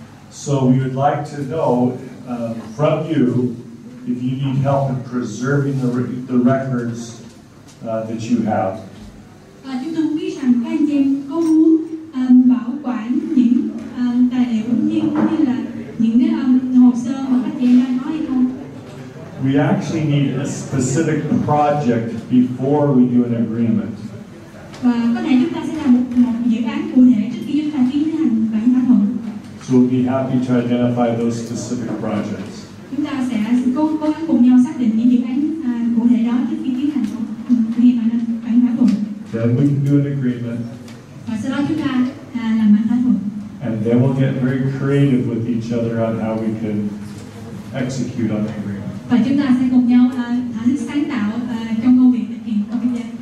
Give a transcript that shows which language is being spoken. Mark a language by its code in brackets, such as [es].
[en] So we would like to know from you if you need help in preserving the records that you have. [vi] Chúng tôi biết rằng các anh chị có muốn bảo quản những tài liệu như là những cái hồ sơ mà các chị đang nói hay không? [en] We actually need a specific project before we do an agreement. [vi] Và có thể chúng ta sẽ làm một dự án cụ thể trước khi chúng ta tiến hành bản thỏa thuận. [en] So we'll be happy to identify those specific projects. [vi] Chúng ta sẽ cố gắng cùng nhau xác định những dự án cụ thể đó trước khi tiến hành bản thỏa thuận. [en] Then we can do an agreement. [vi] Và sau đó chúng ta làm bản thỏa thuận. [en] And then we'll get very creative with each other on how we can execute on the agreement. [vi] Và chúng ta sẽ cùng nhau thử sáng tạo trong công việc thực hiện công việc.